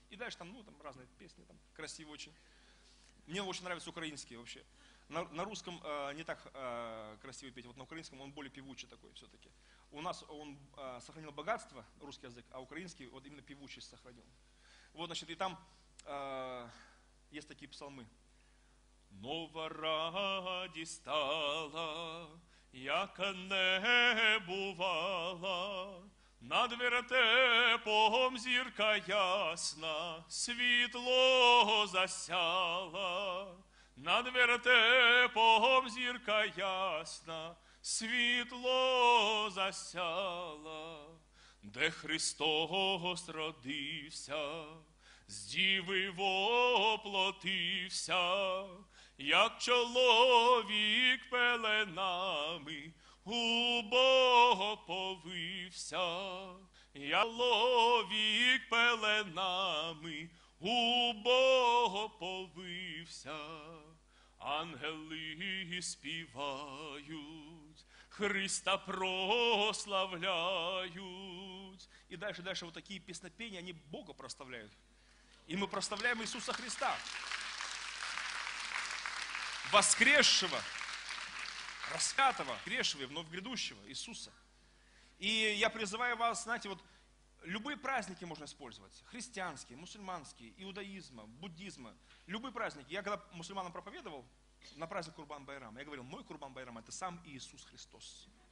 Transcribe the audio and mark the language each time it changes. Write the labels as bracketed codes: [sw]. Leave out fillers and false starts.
[ru] И дальше там, ну, там разные песни, там красивые очень. Мне очень нравятся украинские вообще. На русском не так красиво петь, вот на украинском он более певучий такой все-таки. У нас он сохранил богатство, русский язык, а украинский вот именно певучесть сохранил. Вот, значит, и там есть такие псалмы. [uk] «Ново ради стала, яка не бувала, над вертепом зірка ясна, світло засяла. Над вертепом зірка ясна, світло засяла. Де Христос родився, З діви воплотився, як чоловік пеленами, у Бога повився, як чоловік пеленами, у Бога повився. Ангели співають, Христа прославляють. І далі вот такі піснопіння, вони Бога прославляють. [ru] И мы прославляем Иисуса Христа, воскресшего, распятого, воскресшего и вновь грядущего Иисуса. И я призываю вас, знаете, вот любые праздники можно использовать. Христианские, мусульманские, иудаизма, буддизма, любые праздники. Я когда мусульманам проповедовал на праздник Курбан-Байрама, я говорил, мой Курбан-Байрам – это сам Иисус Христос.